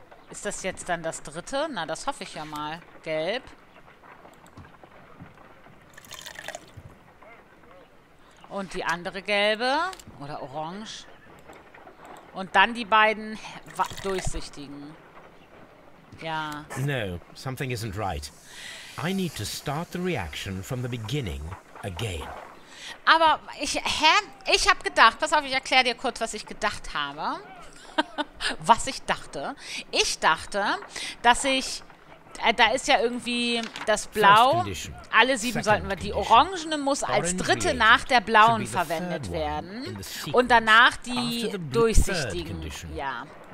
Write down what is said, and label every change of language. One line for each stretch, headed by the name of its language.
German: Ist das jetzt dann das dritte? Na, das hoffe ich ja mal. Gelb. Und die andere gelbe. Oder orange. Und dann die beiden durchsichtigen. Ja.
English: No, something isn't right. I need to start the reaction from the beginning again.
German: Aber ich, hä? Ich habe gedacht, pass auf, ich erkläre dir kurz, was ich gedacht habe. Was ich dachte. Ich dachte, dass ich, da ist ja irgendwie das Blau, alle sieben sollten wir, die Orangene muss als dritte nach der Blauen verwendet werden und danach die Durchsichtigen. Ja.